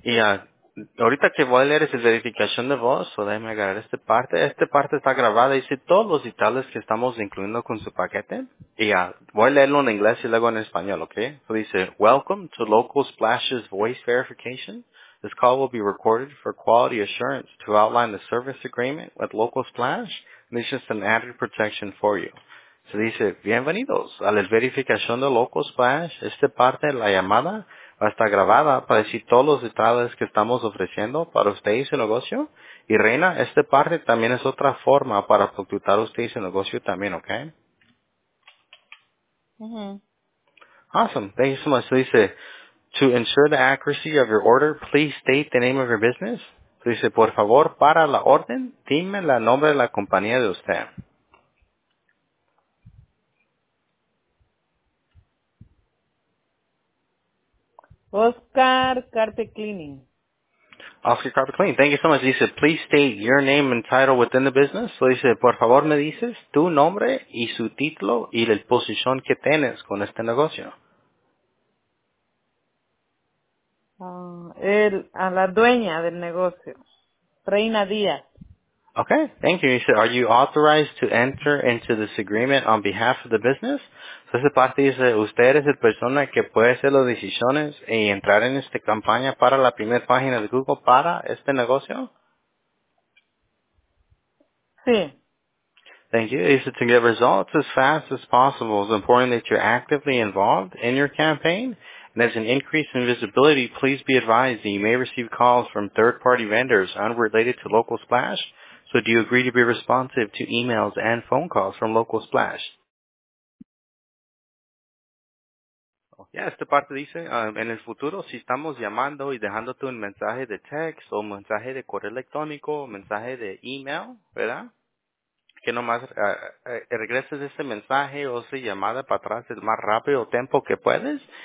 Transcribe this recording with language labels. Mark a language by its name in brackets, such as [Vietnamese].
[Spanish] Y ahorita que voy a leer esa verificación de voz, so déjeme agarrar esta parte. Esta parte está grabada y dice todos los detalles que estamos incluyendo con su paquete. Y voy a leerlo en inglés y luego en español, ¿ok? So dice, [English] welcome to Local Splash's voice verification. This call will be recorded for quality assurance to outline the service agreement with Local Splash. And it's just an added protection for you. [Spanish] So dice, bienvenidos a la verificación de Local Splash. Esta parte de la llamada va a estar grabada para decir todos los detalles que estamos ofreciendo para usted y su negocio. Y Reina, esta parte también es otra forma para facturar usted y su negocio también, ¿ok? Uh-huh. [English] Awesome. Thank you so much. [Spanish] So dice, [English] to ensure the accuracy of your order, please state the name of your business. [Spanish] So dice, por favor, para la orden, dime el nombre de la compañía de usted. [English] Oscar Carpet Cleaning. Oscar Carpet Cleaning. Thank you so much. [Spanish] Dice, [English] please state your name and title within the business. [Spanish] So dice, por favor, me dices tu nombre y su título y la posición que tienes con este negocio. A la dueña del negocio, Reina Díaz. [English] Okay, thank you. [Spanish] Dice, [English] are you authorized to enter into this agreement on behalf of the business? [Spanish] So esa parte dice, usted es la persona que puede hacer las decisiones y entrar en esta campaña para la primera página de Google para este negocio? Sí. [English] Thank you. [Spanish] Dice, [English] to get results as fast as possible, it's important that you're actively involved in your campaign. And as an increase in visibility, please be advised that you may receive calls from third-party vendors unrelated to Local Splash. So do you agree to be responsive to emails and phone calls from Local Splash? [Spanish] Yeah, esta parte dice, en el futuro, si estamos llamando y dejándote un mensaje de text o mensaje de correo electrónico o mensaje de email, ¿verdad? Que nomás regreses ese mensaje o esa llamada para atrás el más rápido tiempo que puedes.